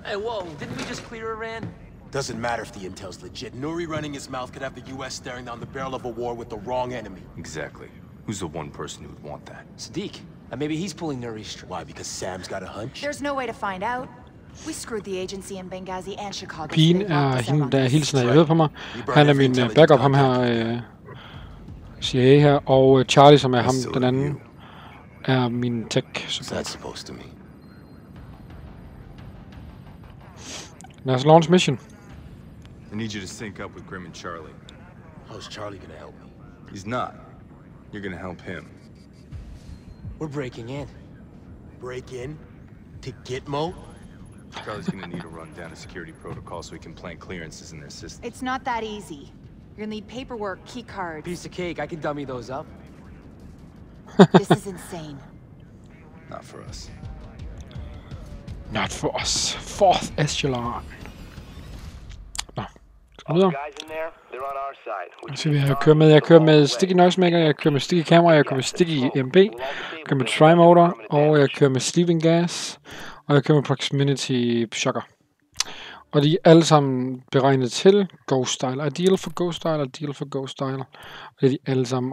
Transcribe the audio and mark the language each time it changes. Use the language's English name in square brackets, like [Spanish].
[English] Hey, whoa, didn't we just clear Iran? Doesn't matter if the intel's legit. Nuri running his mouth could have the U.S. staring down the barrel of a war with the wrong enemy. Exactly. Who's the one person who would want that? Sadiq. And maybe he's pulling Nuri straight. Why? Because Sam's got a hunch? There's no way to find out. We screwed the agency in Benghazi and Chicago. [Danish] Pien er hende, der hele tiden er i på mig. Han er min backup, ham her. CIA her. Og Charlie, som er ham, den anden, er min tech support. [English] That's supposed to mean. Let's launch mission. I need you to sync up with Grimm and Charlie. How's Charlie gonna help me? He's not. You're gonna help him. We're breaking in. Break in? To Gitmo? Charlie's gonna need to run down a security protocol so he can plant clearances in their system. It's not that easy. You're gonna need paperwork, key cards. Piece of cake, I can dummy those up. This is insane. Not for us. Not for us. Fourth echelon. All the guys in there, they're on our side. [Danish] Så vi har kørt med. Jeg kører med Sticky Noise Maker, jeg kører med Sticky Camera, jeg kører med Sticky MB, jeg kører med Tri-Motor, og jeg kører med Sleeping Gas, og jeg kører med Proximity Shocker. Og de er alle sammen beregnet til Ghost Style. [English] Ideal for Ghost Style, Ideal for Ghost Style. [Danish] Og det er de alle sammen.